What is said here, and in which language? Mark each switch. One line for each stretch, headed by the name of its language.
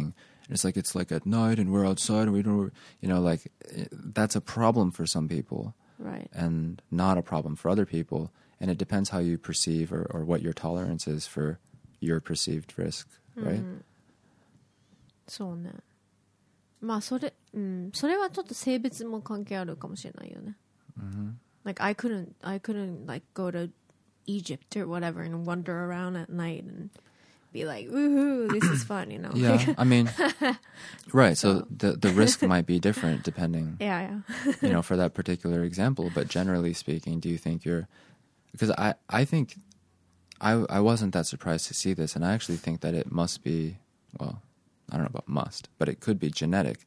English: And it's like at night and we're outside and we don't... You know, like, that's a problem for some people. Right. And not a problem for other people. And it depends how you perceive or what your tolerance is for your perceived risk, right?
Japanese: そうね。まあ、それ、それはちょっと性別も関係あるかもしれないよね。
English: Like, I couldn't, like, go to Egypt or whatever and wander around at night and be like, woohoo, this is fun, you know? Yeah, I mean, right, so the risk might be different depending, yeah, yeah. you know, for that particular example, but generally speaking, do you think you're, because I think I wasn't that surprised to see this, and I actually think that it must be, well, I don't know about must, but it could be genetic.